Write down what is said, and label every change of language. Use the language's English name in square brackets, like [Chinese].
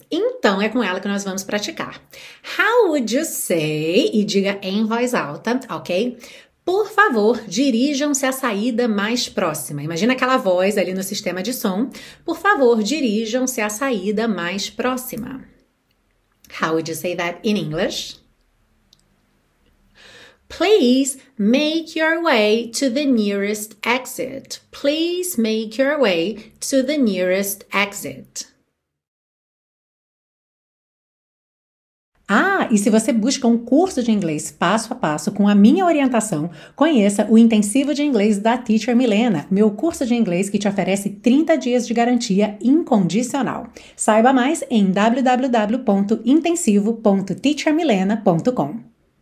[Portuguese] Então é com ela que nós vamos praticar. [English] How would you say, [Portuguese] e diga em voz alta, ok? Por favor, dirijam-se à saída mais próxima. Imagina aquela voz ali no sistema de som. Por favor, dirijam-se à saída mais próxima. [English] How would you say that in English? Please make your way to the nearest exit. Please make your way to the nearest exit. [Portuguese] Ah, e se você busca um curso de inglês passo a passo com a minha orientação, conheça o Intensivo de Inglês da Teacher Milena, meu curso de inglês que te oferece 30 dias de garantia incondicional. Saiba mais em www.intensivo.teachermilena.com.